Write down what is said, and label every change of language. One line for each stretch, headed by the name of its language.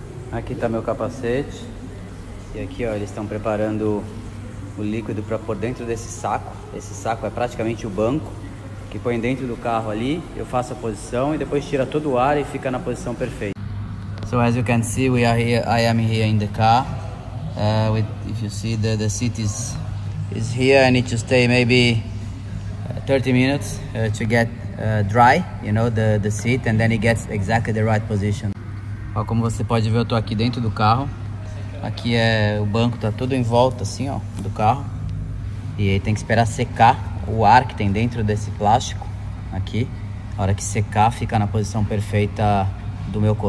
Portuguese: Aqui está meu capacete e aqui ó, eles estão preparando o líquido para pôr dentro desse saco. Esse saco é praticamente o banco que põe dentro do carro ali. Eu faço a posição e depois tira todo o ar e fica na posição perfeita.
English: So as you can see, we are here. I am here in the car. If you see the seat is here, I need to stay maybe 30 minutes to get dry, you know, the seat, and then it gets exactly the right position.
Portuguese: Como você pode ver, eu tô aqui dentro do carro. Aqui é o banco, tá tudo em volta assim, ó, do carro. E aí tem que esperar secar o ar que tem dentro desse plástico aqui. A hora que secar, fica na posição perfeita do meu corpo.